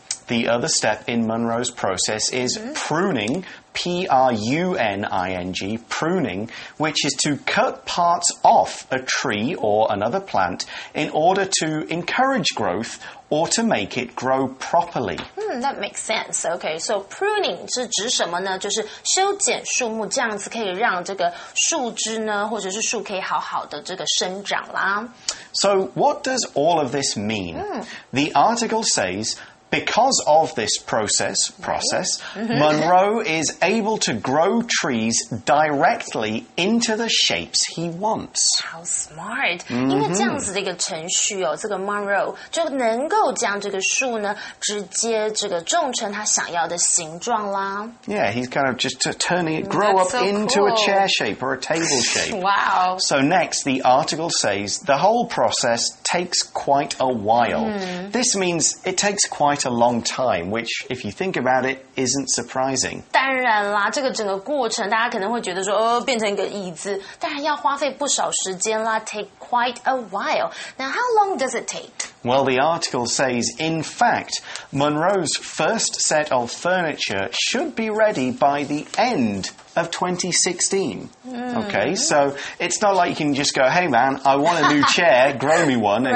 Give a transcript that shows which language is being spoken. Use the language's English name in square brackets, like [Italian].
[English] The other step in Munro's process is、mm-hmm. pruning, P-R-U-N-I-N-G, pruning, which is to cut parts off a tree or another plant in order to encourage growth or to make it grow properly.、 Mm, that makes sense. Okay, so pruning [Chinese] 是指什么呢？就是修剪树木，这样子可以让这个树枝呢，或者是树可以好好的这个生长啦。 [English] So what does all of this mean?、 Mm. The article says... Because of this process, Monroe is able to grow trees directly into the shapes he wants. How smart!、Mm-hmm. [Chinese] 因为这样子的一个程序哦，这个 Monroe 就能够将这个树呢直接这个种成他想要的形状啦。 [English] Yeah, he's kind of just turning it, grow、 That's、 up、 so、 into、 cool. a chair shape or a table shape. Wow! So next, the article says the whole process takes quite a while.、Mm. This means it takes quite a long time, which, if you think about it, isn't surprising. [Chinese] 当然啦，这个整个过程大家可能会觉得说、哦、变成一个椅子，当然要花费不少时间啦。 [English] Take quite a while. Now, how long does it take? Well, the article says, in fact, Monroe's first set of furniture should be ready by the end of 2016.、 Mm. Okay, so it's not like you can just go, hey man, I want a new chair, grow me one, and、